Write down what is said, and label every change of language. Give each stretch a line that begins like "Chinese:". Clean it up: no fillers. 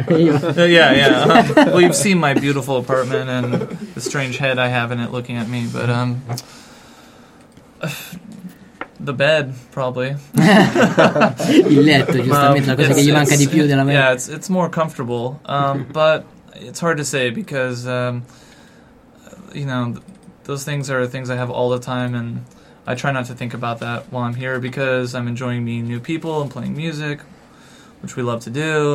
English: Well, you've seen my beautiful apartment and the strange head I have in it looking at me, but the bed, probably.
Italian: Il letto, giustamente, la cosa che gli manca di più della mia.
English: Yeah, it's more comfortable, but it's hard to say because, you know, those things are things I have all the time, and I try not to think about that while I'm here because I'm enjoying meeting new people and playing music, which we love to do.